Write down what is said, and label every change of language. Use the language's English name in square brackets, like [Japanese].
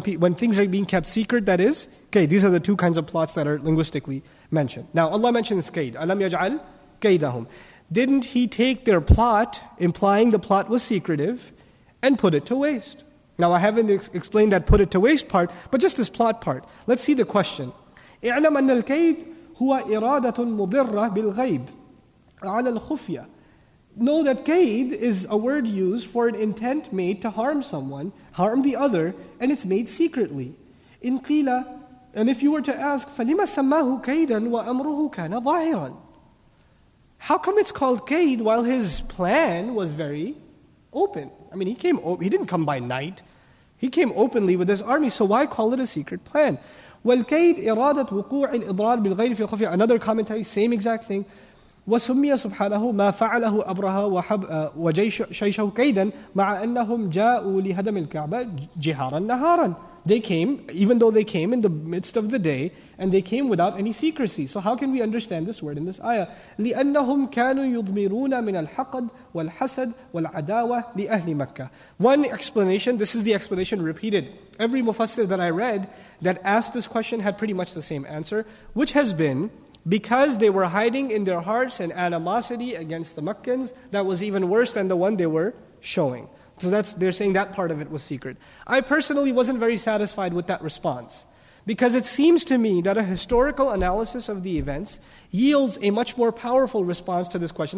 [English] When things are being kept secret, that is qaid. These are the two kinds of plots that are linguistically mentioned. Now Allah mentions qaid. [Arabic] أَلَمْ يَجْعَلْ قَيْدَهُمْ [English] Didn't He take their plot, implying the plot was secretive, and put it to waste? Now I haven't explained that put it to waste part, but just this plot part. Let's see the question. [Arabic] اعلم أن الكيد هو إرادة مضرة بالغيب على الخفية. [English] Know that كيد is a word used for an intent made to harm someone, harm the other, and it's made secretly. [Arabic] إن قيل, [English] and if you were to ask, [Arabic] فلما سماه كيدا وأمره كان ظاهرا. [English] How come it's called كيد while his plan was very open? I mean, he didn't come by night. He came openly with his army, so why call it a secret plan? [Arabic] والكيد إرادة وقوع الإضرار بالغير في الخفية. [English] Another commentary, same exact thing. [Arabic] وسمي سبحانه ما فعله أبرها وجيشه كيدا مع أنهم جاءوا لهدم الكعبة جهارا نهارا. [English] They came, even though they came in the midst of the day, and they came without any secrecy. So how can we understand this word in this ayah? [Arabic] لأنهم كانوا يضمرون من الحقد والحسد والعداوة لأهل مكة. [English] One explanation, this is the explanation repeated. Every mufassir that I read that asked this question had pretty much the same answer, which has been because they were hiding in their hearts an animosity against the Meccans that was even worse than the one they were showing. So that's, they're saying that part of it was secret. I personally wasn't very satisfied with that response, because it seems to me that a historical analysis of the events yields a much more powerful response to this question.